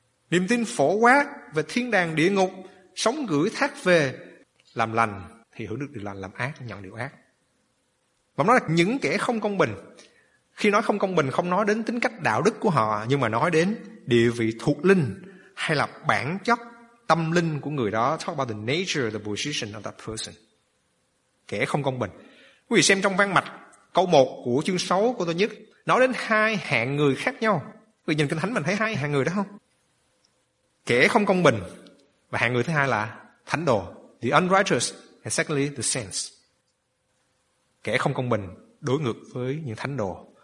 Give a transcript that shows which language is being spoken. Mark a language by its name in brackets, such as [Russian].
[Vietnamese] Niềm tin phổ quát về thiên đàng địa ngục, sống gửi thác về, làm lành thì hưởng được điều lành, làm ác nhận điều ác. Và nói là những kẻ không công bình, khi nói không công bình không nói đến tính cách đạo đức của họ, nhưng mà nói đến địa vị thuộc linh hay là bản chất tâm linh của người đó. [English] Talk about the nature, the position of that person. [Vietnamese] Kẻ không công bình. Quý vị xem trong văn mạch câu 1 của chương 6 của tôi nhất, nói đến hai hạng người khác nhau. Quý vị nhìn Kinh Thánh mình thấy hai hạng người đó không? Kẻ không công bình và hạng người thứ hai là thánh đồ. [English] The unrighteous and secondly the saints. [Vietnamese] Kẻ không công bình đối ngược với những thánh đồ.